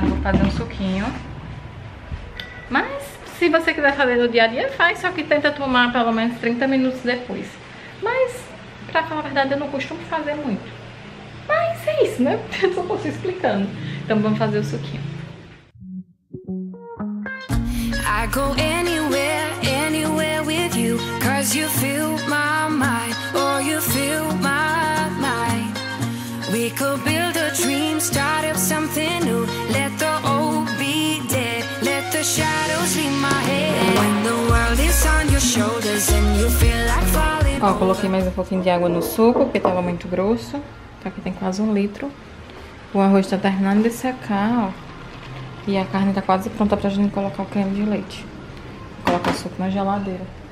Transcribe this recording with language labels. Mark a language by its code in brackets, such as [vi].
[pt] Vou fazer um suquinho. Mas se você quiser fazer no dia a dia, faz, só que tenta tomar pelo menos 30 minutos depois. Mas, pra falar a verdade, eu não costumo fazer muito. Mas é isso, né? Eu só posso ir explicando. Então vamos fazer o suquinho. [en] I go anywhere, anywhere with you, cause you feel my mind, or you feel my mind. We could build a dream, start up something new, let the old be dead, let the shadows be my head. When the world is on your shoulders and you feel like falling. [pt] Ó, coloquei mais um pouquinho de água no suco, porque tava muito grosso. Tá, aqui tem quase 1 litro. O arroz tá terminando de secar, ó. E a carne tá quase pronta pra gente colocar o creme de leite. Vou colocar o suco na geladeira.